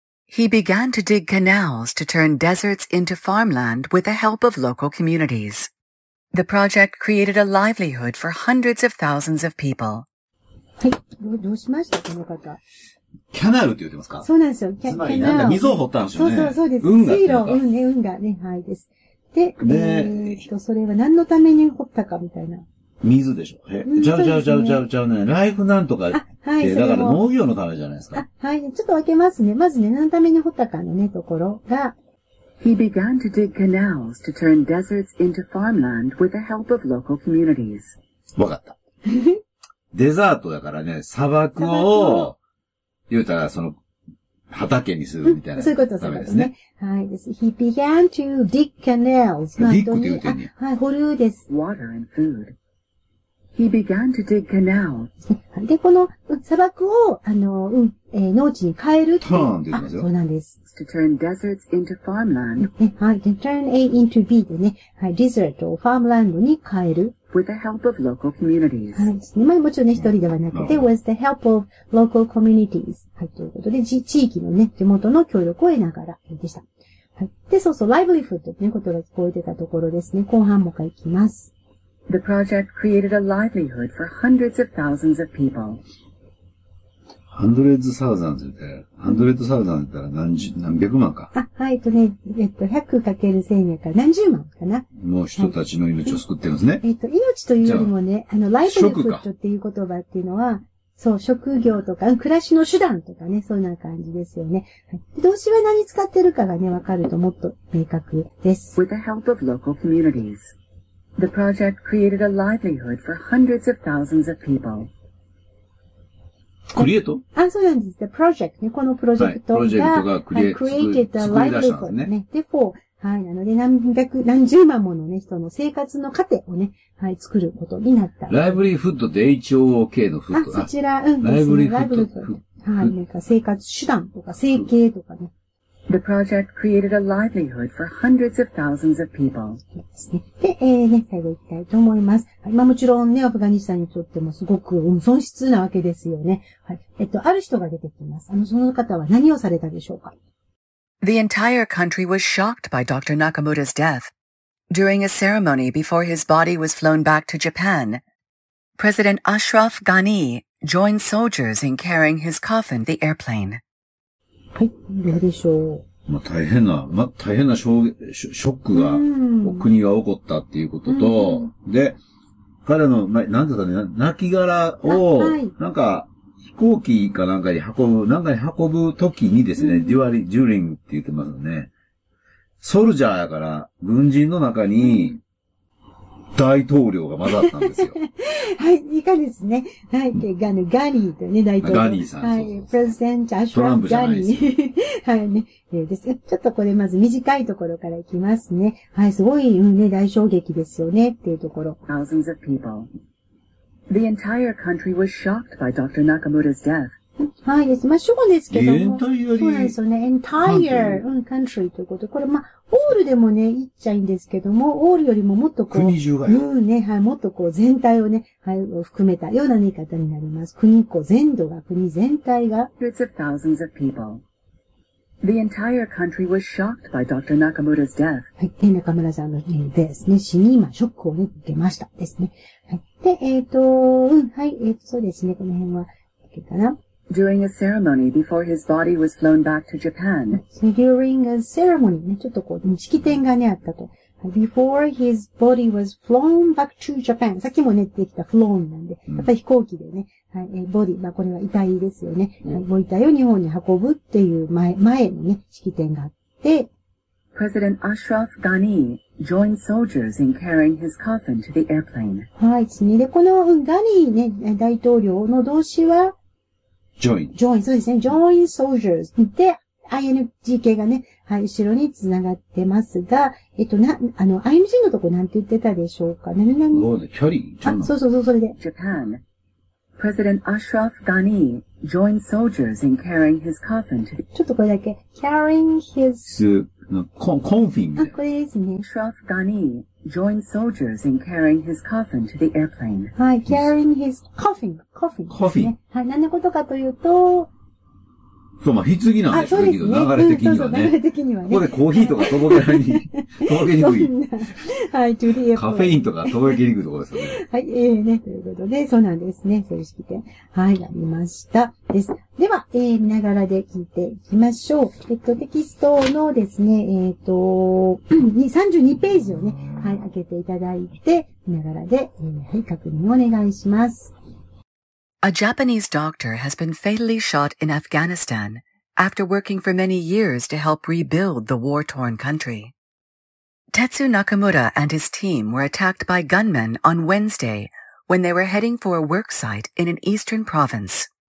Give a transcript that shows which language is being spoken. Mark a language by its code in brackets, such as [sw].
[en] He began to dig canals to turn deserts into farmland with the help of local communities. The project created a livelihood for hundreds of thousands of people. [ja] はい、どうしましたこの方。キャナルって言ってますか？そうなんですよ。つまりなんか溝を掘ったんですよね。そうそうそうです。運河っていうか。水路、うんね、運河ね、はいです。で、ね、それは何のために掘ったかみたいな。水でしょ。え、うん、ちゃうちゃうちゃうちゃうちゃうね。ライフなんとかって、はい、だから農業のためじゃないですか。あ、はい。ちょっと分けますね。まずね、何のために掘ったかのね、ところが。 [en] He began to dig canals to turn deserts into farmland with the help of local communities. [ja] わかった。デザートだからね、砂漠を、言うたらその、畑にするみたいな、うん。そういうことですね。ですね。はい。です。 [en] He began to dig canals. [ja] ディックって言うてんねや。はい、掘るです。 [en] Water and food. He began to dig canal. [ja] で、この砂漠を、農地に変えるって。 turn って言いますよ。そうなんです。 [en] to turn deserts into farmland. [ja] はい。 [en] to turn A into B [ja] でね。はい。 desert を farmland に変える。 [en] with the help of local communities. [ja] はい。まあ、もちろんね、一人ではなくて、 [en] with the help of local communities. [ja] はい。ということで、地域のね、地元の協力を得ながらでした。はい。で、そうそう、 [en] livelihood [ja] ってね、ことが聞こえてたところですね。後半も書きます。 [en] The project created a livelihood for hundreds of thousands of people. Hundreds thousands [ja] って、hundreds thousands って言ったら何百万か。あ、はい、ね、100かける1000やから何十万かな。もう人たちの命を救ってますね。はい、命というよりもね、livelihood っていう言葉っていうのは、そう、職業とか、暮らしの手段とかね、そんな感じですよね。はい、動詞は何使ってるかがね、わかるともっと明確です。 [en] With the help of local communities. The project created a livelihood for hundreds of thousands of people. [ja] クリエイト？あ、そうなんです。 [en] The project [ja] ね、このプロジェクトが、はい、プロジェクトがクリエイト、 [en] created a livelihood [ja] ね。ね、で、for、はい、なので何十万ものね、人の生活の糧をね、はい、作ることになった。ライブリーフッドって HOOK のフッド。あ、そちら、うん、ライブリーフッド。はい、なんか生活手段とか生計とかね。 [en] The project created a livelihood for hundreds of thousands of people. [ja] で、ね、最後行きたいと思います。はい、まあもちろんね、アフガニスタンにとってもすごく損失なわけですよね。はい。ある人が出てきます。その方は何をされたでしょうか？ [en] The entire country was shocked by Dr. Nakamura's death. During a ceremony before his body was flown back to Japan, President Ashraf Ghani joined soldiers in carrying his coffin the airplane. [ja] はい。どうでしょう。まあ、大変な、まあ、大変な衝撃、ショックが、うん、国が起こったっていうことと、うん、で、彼の、まあ、なんだったね、亡骸を、はい、なんか、飛行機かなんかに運ぶ、なんかに運ぶときにですね、うん、ジュリングって言ってますよね。ソルジャーやから、軍人の中に、大統領が混ざったんですよ。はい、いかですね。はい、ガニーというね、大統領。ガニーさん。はい、そうそうそうプレゼンチャーショップ。トランプじゃないです。はい、ね。ですちょっとこれまず短いところからいきますね。はい、すごい、うんね、大衝撃ですよね、っていうところ。 [en] Thousands of people. The entire country was shocked by Dr. Nakamura's death. [ja] はいです。まあ、主語ですけども。 [en] Entirely、 [ja] そうなんですよね。 [en] entire country [ja] ということ。これ、まあ、all でもね、言っちゃいいんですけども、all よりももっとこう、国中がよ。うんね、はい、もっとこう、全体をね、はい、含めたような言い方になります。国、こう、全土が、国全体が。 [en] Hundreds of thousands of people. The entire country was shocked by Dr. Nakamura's death. [ja] はい。中村さんの、ね、ですね。死に、まあ、ショックをね、受けました。ですね。はい。で、うん、はい、そうですね。この辺は、OK かな。 [en] During a ceremony before his body was flown back to Japan. [ja] During a ceremony, ね、ちょっとこう、式典がね、あったと。 [en] Before his body was flown back to Japan. [ja] さっきもね、できた flown なんで、やっぱり飛行機でね、はい、body、まあこれは遺体ですよね。ご遺体を日本に運ぶっていう前のね、式典があって。 [en] President Ashraf Ghani joined soldiers in carrying his coffin to the airplane. [ja] はい、次で、この、うん、ガニーね、大統領の動詞は、 [en] Join. [ja] そうですね。 [en] Join soldiers. [ja] で、ing 系がね、はい、後ろにつながってますが、ing のとこなんて言ってたでしょうか。何々。 [en] Oh, the carry. [ja] あ、そうそうそう、それで。 [en] Japan. President Ashraf Ghani joined soldiers in carrying his coffin. [ja] ちょっとこれだけ。 [en] carrying his coffin. [ja] あ、これですね。 [en] Ashraf Ghani joined soldiers in carrying his coffin to the airplane. [ja] はい、 [en] carrying his coffin. [ja] Coffee.、ね、はい、何のことかというと、そう、まあ、棺なんですけど、ね、流れ的にはね。そうそう、流れ的にはね。ここでコーヒーとか届けられに、届けにくい。はい、トゥリエフ。カフェインとか届けにくいところですよね。はい、ね、ということで、そうなんですね、正式点。はい、ありました。です。では、見ながらで聞いていきましょう。テキストのですね、32ページをね、はい、開けていただいて、見ながらで、はい、確認をお願いします。 [en] A Japanese doctor has been fatally shot in Afghanistan after working for many years to help rebuild the war-torn country. Tetsu Nakamura and his team were attacked by gunmen on Wednesday when they were heading for a work site in an eastern province.